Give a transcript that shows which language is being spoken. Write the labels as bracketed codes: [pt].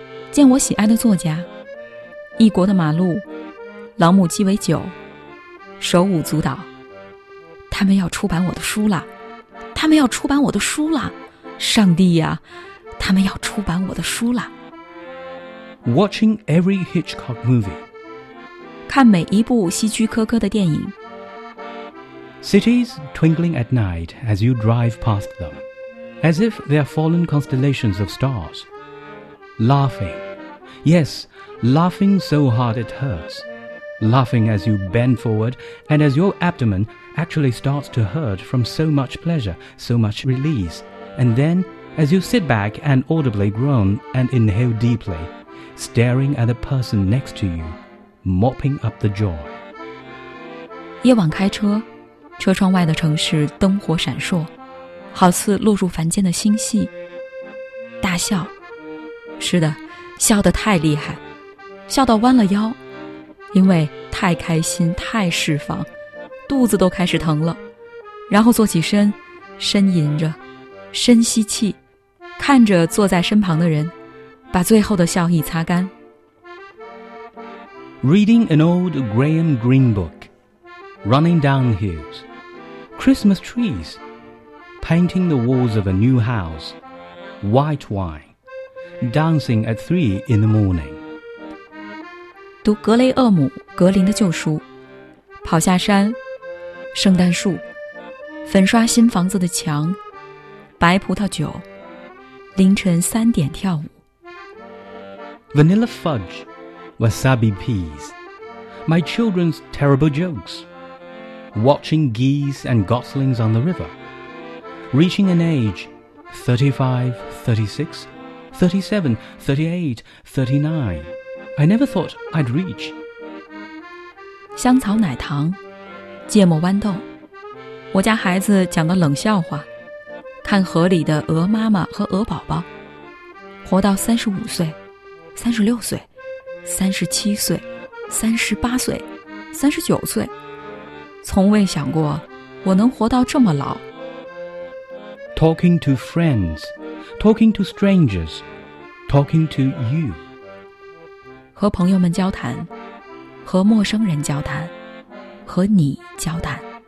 [zh] 见我喜爱的作家，异国的马路，朗姆鸡尾酒，手舞足蹈，他们要出版我的书了，他们要出版我的书了，上帝呀，他们要出版我的书了。 [en] Watching every Hitchcock movie， [zh] 看每一部希区柯克的电影。 [en] Cities twinkling at night as you drive past them, as if they are fallen constellations of stars. Laughing, yes, laughing so hard it hurts. Laughing as you bend forward and as your abdomen actually starts to hurt from so much pleasure, so much release. And then, as you sit back and audibly groan and inhale deeply, staring at the person next to you, mopping up the joy. [zh] 夜晚开车，车窗外的城市灯火闪烁，好似落入凡间的星系。大笑。是的，笑得太厉害，笑到弯了腰，因为太开心，太释放，肚子都开始疼了。然后坐起身，呻吟着，深吸气，看着坐在身旁的人，把最后的笑意擦干。 [en] Reading an old Graham Greene book, running down hills, Christmas trees, painting the walls of a new house, white wine. Dancing at 3 in the morning. [zh] 读格雷厄姆·格林的旧书，跑下山，圣诞树，粉刷新房子的墙，白葡萄酒，凌晨3点跳舞。 [en] Vanilla fudge, wasabi peas, my children's terrible jokes, watching geese and goslings on the river, reaching an age, 35, 36. 37, 38, 39. I never thought I'd reach. [zh] 香草奶糖，芥末豌豆，我家孩子讲的冷笑话，看河里的鹅妈妈和鹅宝宝，活到35岁，36岁，37岁，38岁，39岁，从未想过我能活到这么老。 [en] Talking to friends, talking to strangers.Talking to you. [zh] 和朋友们交谈，和陌生人交谈，和你交谈。